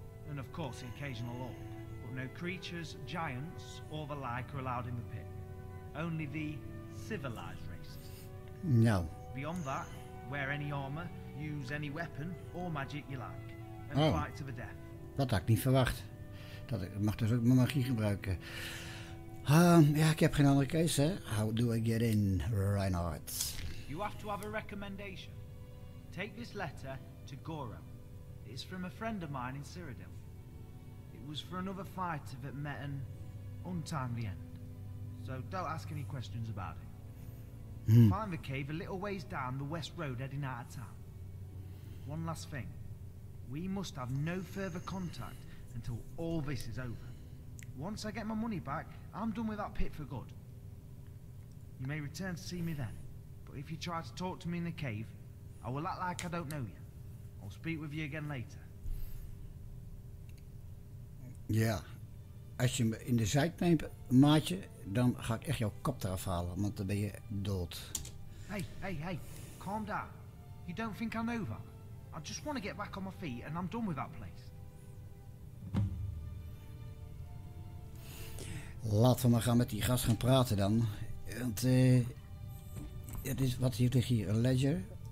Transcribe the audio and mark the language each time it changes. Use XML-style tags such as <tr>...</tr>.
<en>And of course, the occasional orc. But no creatures, giants, or the like are allowed in the pit. Only the civilized. No. Beyond that, wear any armor, use any weapon or magic you like, and fight to the death.</en> <nl>Dat had ik niet verwacht. Dat ik mag dus ook mijn magie gebruiken. Ik heb geen andere keuze.</nl> <en>How do I get in, Reinhardt? You have to have a recommendation. Take this letter to Goro. It's from a friend of mine in Cyrodiil. It was for another fighter that met an untimely end. So don't ask any questions about it. Find the cave a little ways down the west road heading out of town. One last thing. We must have no further contact until all this is over. Once I get my money back, I'm done with that pit for good. You may return to see me then. But if you try to talk to me in the cave, I will act like I don't know you. I'll speak with you again later.</en> <nl>Ja. Als je me in de zijk neemt, maatje, dan ga ik echt jouw kop eraf halen, want dan ben je dood.</nl> <en>Hey, calm down. You don't think I know that? I just want to get back on my feet and I'm done with that place.</en> <nl>Laten we maar gaan met die gast gaan praten dan. Want het is wat hier tegen hier, een ledger.</nl>